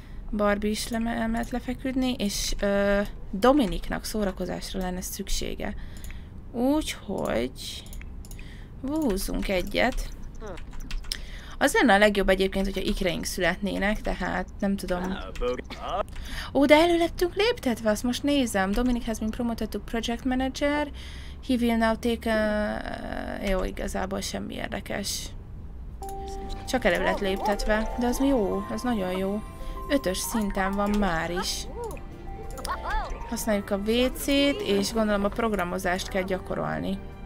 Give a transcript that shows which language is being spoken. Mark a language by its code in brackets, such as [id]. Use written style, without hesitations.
[hu] Barbie is elmehet lefeküdni, és Dominiknak szórakozásra lenne szüksége. Úgyhogy húzzunk egyet. Az lenne a legjobb egyébként, hogyha ikreink születnének, tehát nem tudom. Ó, de elő lettünk léptetve, azt most nézem. [en] Dominic has been promoted to project manager. He will now take a... [hu] Jó, igazából semmi érdekes. Csak elő lett léptetve, de az jó, az nagyon jó. 5-ös szinten van már is. Használjuk a WC-t, és gondolom a programozást kell gyakorolni.